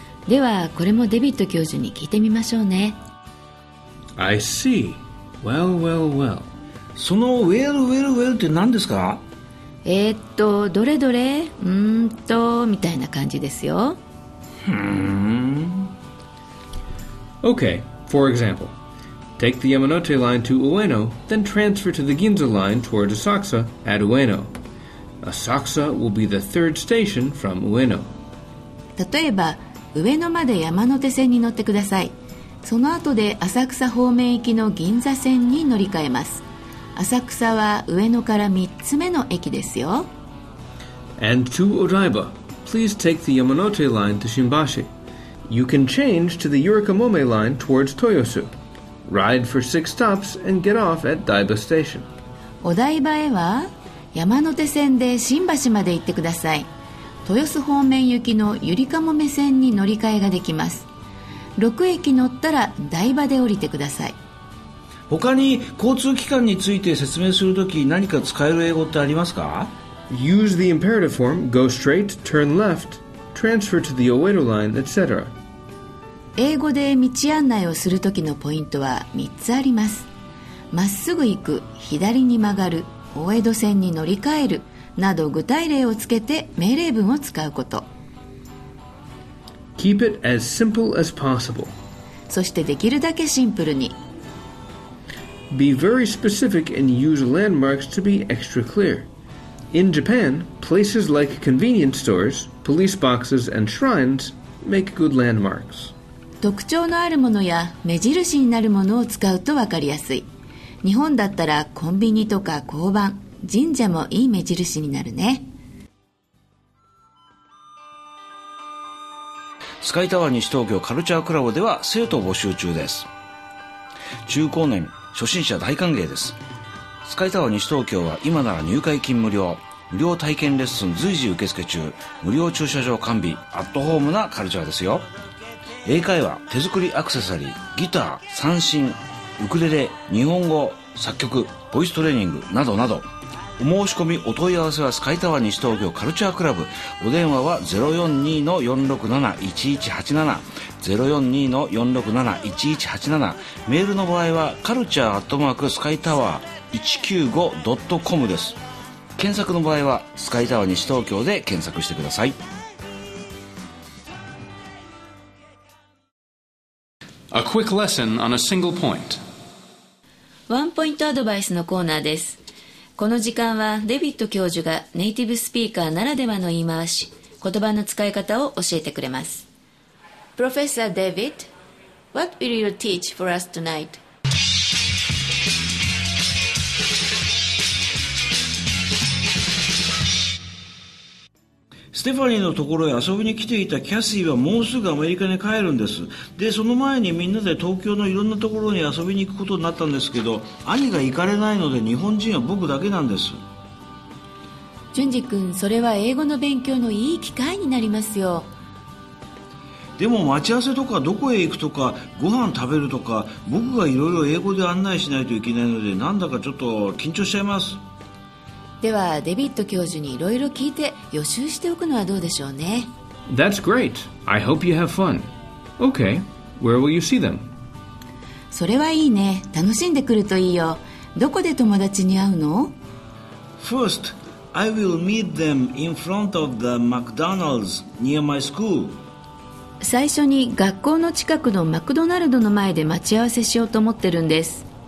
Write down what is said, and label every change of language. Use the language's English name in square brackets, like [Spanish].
[Japanese] ではこれもデビッド教授に聞いてみましょうね。 [English] I see. Well, well, well. [Japanese] その [English] well, well, well [Japanese] って何ですか。どれどれ、みたいな感じですよ。 [English] Okay, for example, take the Yamanote line to Ueno, then transfer to the Ginza line toward Asakusa at Ueno. Asakusa will be the third station from Ueno. [Japanese] 例えば、上野まで山手線に乗ってください。その後で浅草方面行きの銀座線に乗り換えます。浅草は上野から3つ目の駅ですよ。 [English] And to Odaiba, please take the Yamanote line to Shinbashi. You can change to the Yurikamome line towards Toyosu. Ride for 6 stops and get off at Daiba Station. [Japanese] Odaiba へは山手線で新橋まで行ってください。豊洲方面行きのゆりかもめ線に乗り換えができます。 6駅乗ったら台場で降りてください。他に交通機関について説明するとき何か使える英語ってありますか。 [English] Use the imperative form go straight, turn left, transfer to the Oedo line, etc. [Japanese] 英語で道案内をするときのポイントは3つあります。まっすぐ行く、左に曲がる、大江戸線に乗り換えるなど具体例をつけて命令文を使うこと。 [English] Keep it as simple as possible. [Japanese] そしてできるだけシンプルに。 [English] Be very specific and use landmarks to be extra clear. In Japan, places like convenience stores, police boxes and shrines make good landmarks. [Japanese] 特徴のあるものや目印になるものを使うと分かりやすい。日本だったらコンビニとか交番、神社もいい目印になるね。スカイタワー西東京カルチャークラブでは生徒募集中です。中高年初心者大歓迎です。スカイタワー西東京は今なら入会金無料、無料体験レッスン随時受付中、無料駐車場完備、アットホームなカルチャーですよ。英会話、手作りアクセサリー、ギター、三線、ウクレレ、日本語、作曲、ボイストレーニングなどなど。お申し込み、お問い合わせはスカイタワー西東京カルチャークラブ。お電話は 042-467-1187、 042-467-1187。メールの場合はカルチャーアットマークスカイタワー 195.com です。検索の場合はスカイタワー西東京で検索してください。 [English] A quick lesson on a single point. [Japanese] ワンポイントアドバイスのコーナーです。この時間はデビッド教授がネイティブスピーカーならではの言い回し、言葉の使い方を教えてくれます。 [English] Professor David, what will you teach for us tonight? [Japanese] ステファニーのところへ遊びに来ていたキャシーはもうすぐアメリカに帰るんです。で、その前にみんなで東京のいろんなところに遊びに行くことになったんですけど、兄が行かれないので日本人は僕だけなんです。淳二君、それは英語の勉強のいい機会になりますよ。でも待ち合わせとかどこへ行くとかご飯食べるとか、僕がいろいろ英語で案内しないといけないので、なんだかちょっと緊張しちゃいます。ではデビッド教授にいろいろ聞いて予習しておくのはどうでしょうね。 [English] That's great. I hope you have fun. Okay. Where will you see them? [Japanese] それはいいね。楽しんでくるといいよ。どこで友達に会うの? [English] First, I will meet them in front of the McDonald's near my school. [Japanese] 最初に学校の近くのマクドナルドの前で待ち合わせしようと思ってるんです。